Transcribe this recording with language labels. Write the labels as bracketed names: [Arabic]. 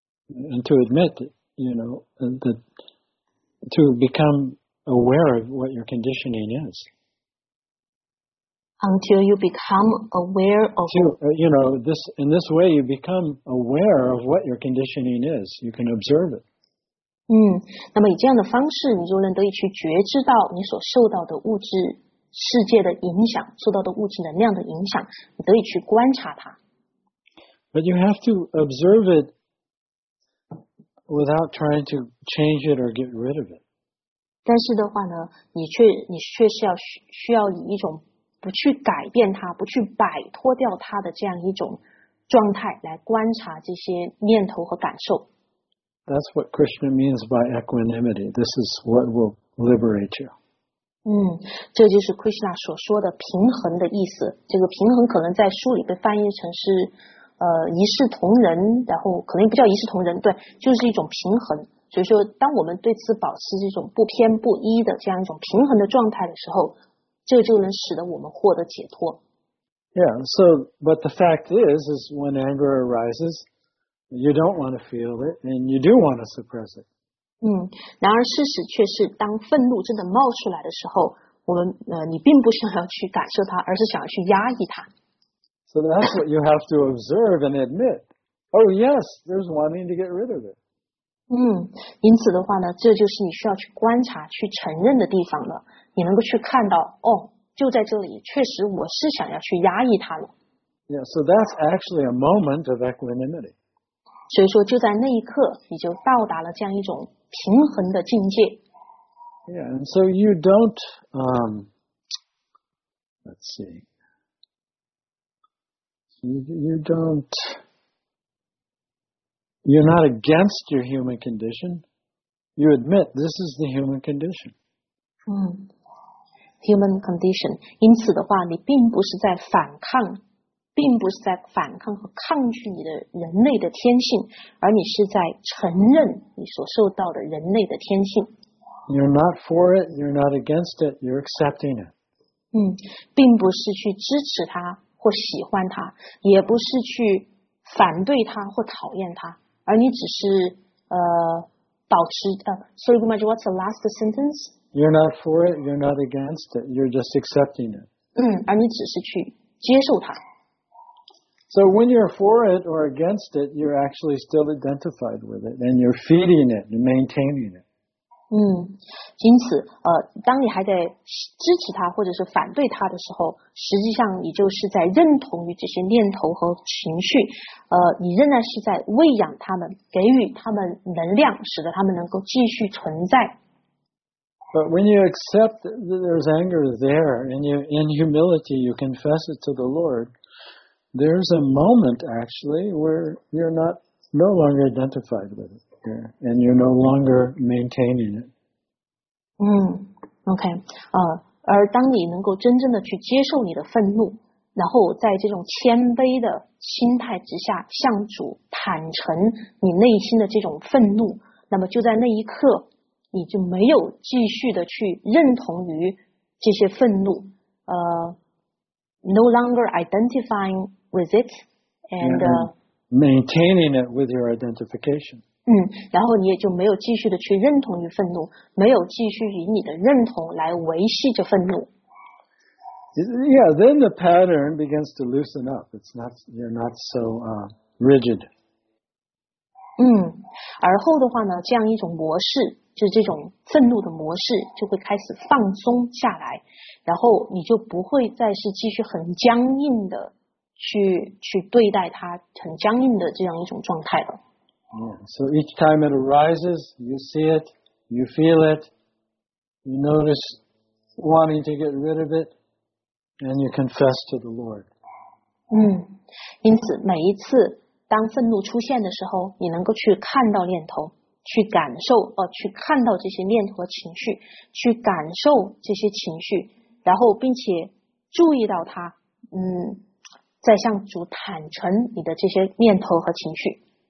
[English] And to admit, you know, that to become aware of what your conditioning is. Until you become aware of, you know, this in this way, you become aware of what your conditioning is. You can observe it. [Chinese] 嗯，那么以这样的方式，你就能得以去觉知到你所受到的物质世界的影响，受到的物质能量的影响，你得以去观察它。 [English] But you have to observe it without trying to change it or get rid of it. [Chinese] 但是的话呢，你却是要需要以一种不去改变它，不去摆脱掉它的这样一种状态，来观察这些念头和感受。 [English] That's what Krishna means by equanimity. This is what will liberate you. [Chinese] 嗯，这就是 Krishna 所说的平衡的意思。这个平衡可能在书里被翻译成是一视同仁，然后可能也不叫一视同仁，对，就是一种平衡。所以说，当我们对此保持这种不偏不倚的这样一种平衡的状态的时候。这就能使得我们获得解脱。 [English] Yeah, so, but the fact is when anger arises, you don't want to feel it, and you do want to suppress it. [Chinese] 嗯，然而事实却是，当愤怒真的冒出来的时候，我们你并不想要去感受它，而是想要去压抑它。 [English] So that's what you have to observe and admit. Oh yes, there's wanting to get rid of it. [Chinese] 嗯，因此的话呢，这就是你需要去观察、去承认的地方了。你能够去看到哦，就在这里，确实我是想要去压抑它了。 [English] Yeah, so that's actually a moment of equanimity. [Chinese] 所以说，就在那一刻，你就到达了这样一种平衡的境界。 [English] Yeah, and so you don't, let's see. You don't, you're not against your human condition. You admit this is the human condition. Human condition. [Chinese] 因此的话，你并不是在反抗，并不是在反抗和抗拒你的人类的天性，而你是在承认你所受到的人类的天性。 [English] You're not for it, you're not against it, you're accepting it. [Chinese] 并不是去支持它或喜欢它，也不是去反对它或讨厌它，而你只是保持 [English] So Gumaji, what's the last sentence? You're not for it, you're not against it, you're just accepting it. [Chinese] 而你只是去接受它。 [English] So when you're for it or against it, you're actually still identified with it, and you're feeding it and maintaining it. [Chinese] 因此当你还在支持它或者是反对它的时候，实际上你就是在认同于这些念头和情绪，你仍然是在喂养它们，给予它们能量，使得它们能够继续存在。 [English] But when you accept that there's anger there, and you, in humility, you confess it to the Lord, there's a moment, actually, where you're not, no longer identified with it, and you're no longer maintaining it. Okay. [Chinese] 而当你能够真正的去接受你的愤怒，然后在这种谦卑的心态之下，向主坦诚你内心的这种愤怒，那么就在那一刻，你就没有继续的去认同于这些愤怒， [English] no longer identifying with it, and maintaining it with your identification. [Chinese] 然后你也就没有继续的去认同于愤怒，没有继续以你的认同来维系着愤怒。 [English] Yeah, then the pattern begins to loosen up. It's not, you're not so rigid. [Chinese] 而后的话呢，这样一种模式，就是这种愤怒的模式就会开始放松下来，然后你就不会再是继续很僵硬的 去对待它，很僵硬的这样一种状态了。 [English] So each time it arises, you see it, you feel it, you notice wanting to get rid of it, and you confess to the Lord. [Chinese] 因此每一次当愤怒出现的时候，你能够去看到念头，去感受去看到这些念头和情绪，去感受这些情绪，然后并且注意到它，在向主坦诚你的这些念头和情绪。